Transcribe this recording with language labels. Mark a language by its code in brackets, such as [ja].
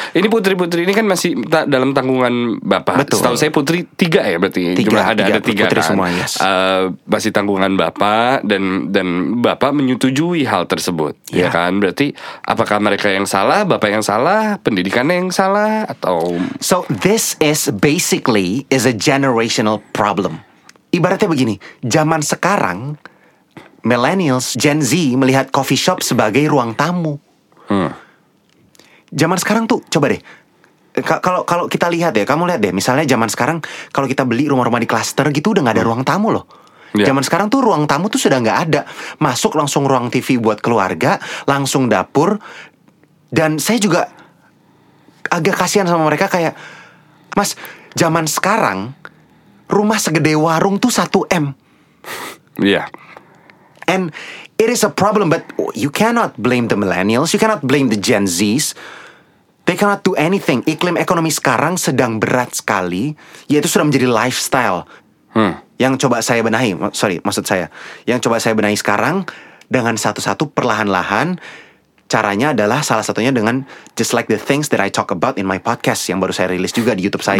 [id] ini putri-putri ini kan masih dalam tanggungan bapak. Betul. Setahu saya putri tiga ya berarti. Tiga putri semua yes. Masih tanggungan bapak dan bapak menyetujui hal tersebut. Yeah. Ya kan? Berarti apakah mereka yang salah, bapak yang salah, pendidikannya yang salah atau? [en] So this is basically is a generational problem. [id] Ibaratnya begini, zaman sekarang millennials, Gen Z melihat coffee shop sebagai ruang tamu. Zaman sekarang tuh, coba deh. Kalau kita lihat ya, kamu lihat deh. Misalnya zaman sekarang, kalau kita beli rumah-rumah di klaster gitu, udah nggak ada ruang tamu loh. Yeah. Zaman sekarang tuh ruang tamu tuh sudah nggak ada. Masuk langsung ruang TV buat keluarga, langsung dapur. Dan saya juga agak kasihan sama mereka kayak, mas, zaman sekarang rumah segede warung tuh 1 M. Iya. Yeah. [en] And it is a problem, but you cannot blame the millennials, you cannot blame the Gen Zs. They cannot do anything. [id] Iklim ekonomi sekarang sedang berat sekali, yaitu sudah menjadi lifestyle yang coba saya benahi. Sorry, maksud saya yang coba saya benahi sekarang dengan satu-satu perlahan-lahan. Caranya adalah salah satunya dengan [en] just like the things that I talk about in my podcast [id] yang baru saya rilis juga di YouTube saya.